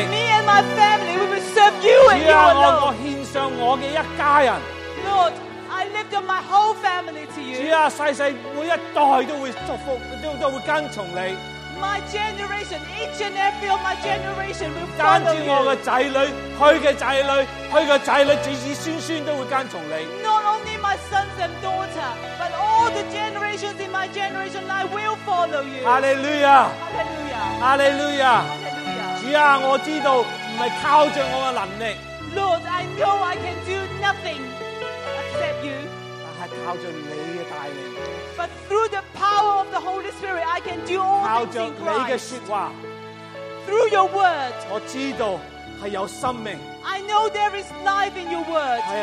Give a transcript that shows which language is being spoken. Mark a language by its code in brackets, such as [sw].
[en] Me and my family, we will serve you and you alone. [zh] 主啊, 我献上我的一家人。 [en] Lord, I lift up my whole family to you. [zh] 主啊, 世世每一代都会祝福, 都会跟从你。 [en] My generation, each and every of my generation will follow you. [zh] 单止我的子女, 他的子女, 他的子女, 子子孙孙都会跟从你。 [en] Not only my sons and daughter, but all the generations in my generation line will follow you. Hallelujah. Hallelujah. Hallelujah. Hallelujah. [zh] 主啊, 我知道不是靠着我的能力。 [en] Lord, I know I can do nothing except you. [zh] 但是靠着你的带领。 [en] But through the power of the Holy Spirit, I can do all things in Christ. Through your word, I know there is life in your word.